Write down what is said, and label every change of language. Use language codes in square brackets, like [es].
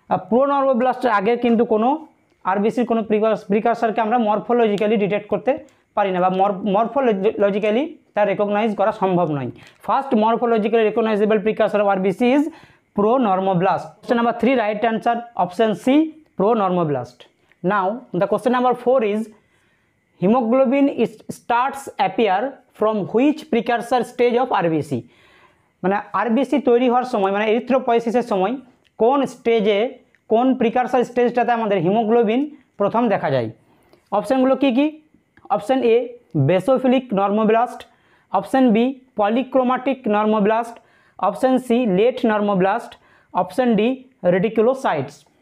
[bn] Pro নর্মোব্লাস্টের আগে কিন্তু কোনো আরবিসির কোনো প্রিকারসারকে আমরা মর্ফোলজিক্যালি ডিটেক্ট করতে পারি না, বা মর্ফোলজিক্যালি তা রেকগনাইজ করা সম্ভব নয়। [en] First morphologically recognisable precursor of RBC is pronormoblast. Question number 3, right answer, option C, pronormoblast. Now, the question number 4 is, hemoglobin starts appear from which precursor stage of RBC? [bn] মানে RBC তৈরি হওয়ার সময় মানে erythropoiesis-এর সময় কোন স্টেজে কোন precursor stage-টাতে আমাদের hemoglobin প্রথম দেখা যায়? অপশন গুলো কি কি? Option A basophilic normoblast, option B polychromatic normoblast, option C late normoblast, option D reticulocytes.